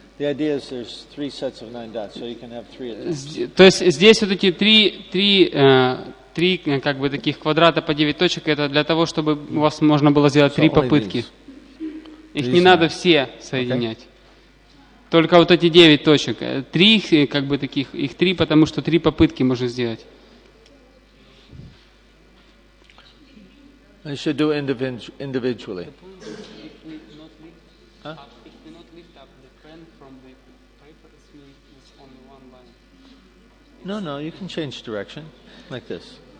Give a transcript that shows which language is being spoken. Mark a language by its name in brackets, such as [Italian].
[English] The idea is there's 3 sets of 9 dots, so you can have 3 of these. [Russian] То есть здесь вот эти три три как бы таких квадрата по 9 точек, это для того, чтобы у вас можно было сделать три попытки. Их не надо все соединять. Okay. Только вот эти 9 точек. Три как бы таких, их три, потому что три попытки можно сделать. [English] I should do individually. If you not lift up the pen from the paper, it's only one line. No, no, you can change direction, like this.